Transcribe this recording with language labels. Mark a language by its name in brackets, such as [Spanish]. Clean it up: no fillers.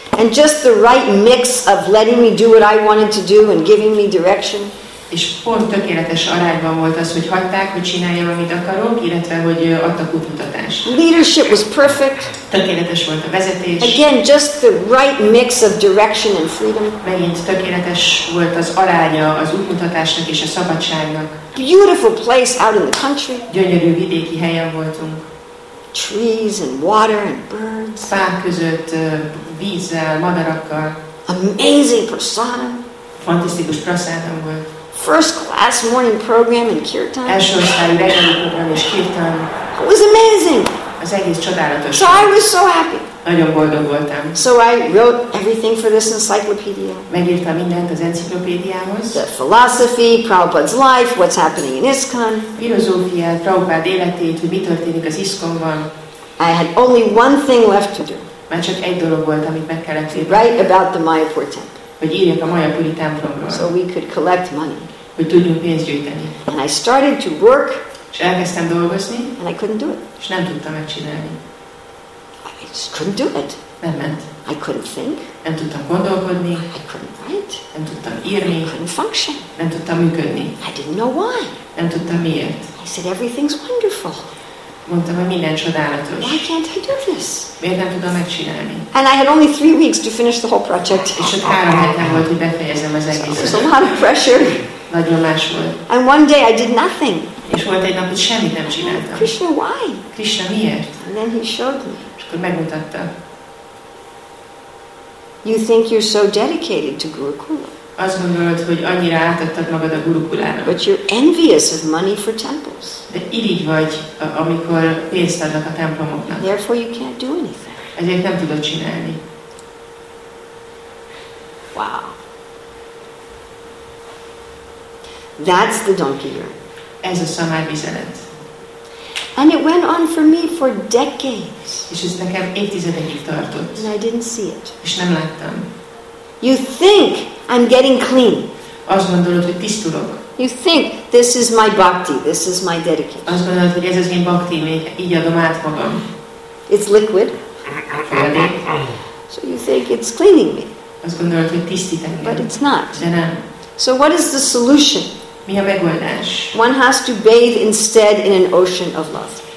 [English] And just the right mix of letting me do what I wanted to do and giving me direction. [Hungarian] És pont tökéletes arányban volt az, hogy hagyták, hogy csináljam, amit akarok, illetve hogy adtak útmutatást. [English] Leadership was perfect. [Hungarian] Tökéletes volt a vezetés. [English] Again, just the right mix of direction and freedom. [Hungarian] Megint tökéletes volt az aránya az útmutatásnak és a szabadságnak. [English] Beautiful place out in the country. [Hungarian] Gyönyörű vidéki helyen voltunk. [English] Trees and water and birds. [Hungarian] Fák között vízzel, madarakkal. [English] Amazing prasadam. [Hungarian] Fantasztikus prasadam volt. [English] First class morning program in kirtan. [Hungarian] Első osztályú reggeli program és kirtan. [English] It was amazing. [Hungarian] Az egész csodálatos. [English] So I was so happy. [Hungarian] Nagyon boldog voltam. [English] So I wrote everything for this encyclopedia. [Hungarian] Megírtam mindent az enciklopédiához. [English] The philosophy, Prabhupada's life, what's happening in ISKCON. [Hungarian] Filozófia, Prabhupád életét, hogy mi történik az ISKCON-ban. [English] I had only one thing left to do. [Hungarian] Már csak egy dolog volt, amit meg kellett írni. [English] Write about the Mayapur temple. [Hungarian] Hogy írjak a Mayapuri templomról. [English] So we could collect money. [Hungarian] Hogy tudjunk pénzt gyűjteni. [English] And I started to work. [Hungarian] És elkezdtem dolgozni. [English] And I couldn't do it. [Hungarian] És nem tudtam megcsinálni. [English] I just couldn't do it. [Hungarian] Nem ment. [English] I couldn't think. [Hungarian] Nem tudtam gondolkodni. [English] I couldn't write. [Hungarian] Nem tudtam írni. [English] I couldn't function. [Hungarian] Nem tudtam működni. [English] I didn't know why. [Hungarian] Nem tudtam miért. [English] I said everything's wonderful. [Hungarian] Mondtam, hogy minden csodálatos. [English] Why can't I do this? [Hungarian] Miért nem tudom megcsinálni? [English] And I had only 3 weeks to finish the whole project. [Hungarian] És csak 3 hetem volt, hogy befejezem az egészet. [English] So it was a lot of pressure. [Hungarian] Nagyon más volt. [English] And one day I did nothing. [Hungarian] És volt egy nap, hogy semmit nem csináltam. [English] Oh, Krishna, why? [Hungarian] Krishna, miért? [English] And then he showed me. [Hungarian] Akkor megmutatta. [English] You think you're so dedicated to Gurukula. [Hungarian] Azt gondolod, hogy annyira átadtad magad a Gurukulának. [English] But you're envious of money for temples. [Hungarian] De irigy vagy, amikor pénzt adnak a templomoknak. [English] Therefore you can't do anything. [Hungarian] Ezért nem tudod csinálni. [English] Wow. That's the donkey urine. [Hungarian] Ez a szamárvizelet. [English] And it went on for me for decades. [Hungarian] És ez nekem évtizedekig tartott. [English] And I didn't see it. [Hungarian] És nem láttam. [English] You think I'm getting clean. [Hungarian] Azt gondolod, hogy tisztulok. [English] You think this is my bhakti, this is my dedication. [Hungarian] Azt gondolod, hogy ez az én bhakti, így adom át magam. [English] It's liquid. [Hungarian] Folyadék. [English] So you think it's cleaning me. [Hungarian] Azt gondolod, hogy tisztít engem. [English] But it's not. [Hungarian] De nem. [English] So what is the solution? [Hungarian] Mi a megoldás? [English] One has to bathe instead in an ocean of love.